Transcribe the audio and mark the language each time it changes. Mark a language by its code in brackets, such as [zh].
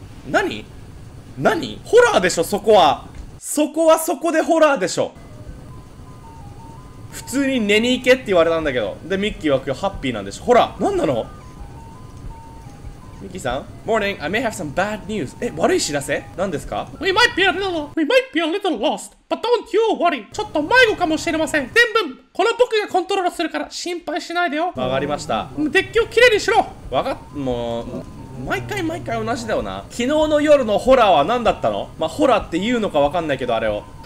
[ja] 何？何？ホラーでしょ、そこは。そこはそこでホラーでしょ。普通に寝に行けって言われたんだけど。で、ミッキーは今日ハッピーなんでしょ。ほら、何なの？ミッキーさん？ [en] Morning, I may have some bad news. [ja] え、悪い知らせ？何ですか？ [en] We might be a little lost, but don't you worry. [ja] ちょっと迷子かもしれません。全部、この僕がコントロールするから心配しないでよ。わかりました。デッキをきれいにしろ。わかっ、もう。毎回毎回同じだよな。昨日の夜のホラーは何だったの？まあホラーって言うのか分かんないけど、あれを。